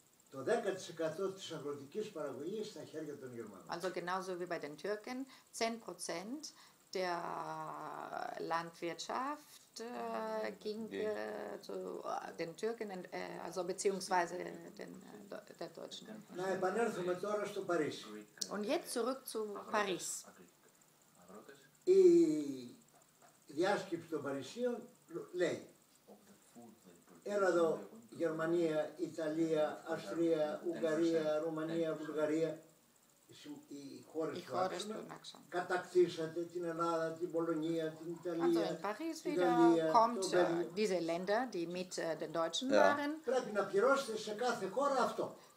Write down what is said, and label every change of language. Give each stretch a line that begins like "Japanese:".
Greek: Το 10% της αγροτικής παραγωγής στα χέρια των Γερμανών.
German: Also genauso wie bei den Türken, 10% der Landwirtschaft ging zu den Türken, also beziehungsweise den der Deutschen.
Greek: Να επανέλθουμε τώρα στο Παρίσι.
German: Und jetzt zurück zu Paris.
Greek: Η διάσκεψη των Παρισίων λέει, έλα εδώ, Γερμανία, Ιταλία, Αυστρία, Ουγγαρία, Ρουμανία, Βουλγαρία, οι χώρες του άξονα, κατακτήσατε την Ελλάδα, την Πολωνία, την Ιταλία,
German: also in Paris wieder kommt diese Länder, die mit den Deutschen yeah. waren.
Greek: Πρέπει να πληρώσετε σε κάθε χώρα αυτό.